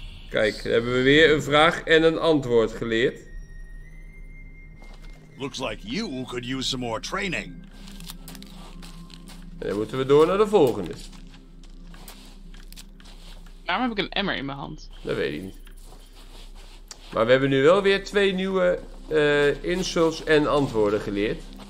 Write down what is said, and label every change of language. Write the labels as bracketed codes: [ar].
[nl] Kijk, hebben we weer een vraag en een antwoord geleerd. [en] Looks like you could use some more training. [nl] En dan moeten we door naar de volgende. Waarom heb ik een emmer in mijn hand? Dat weet ik niet. Maar we hebben nu wel weer twee nieuwe insults en antwoorden geleerd.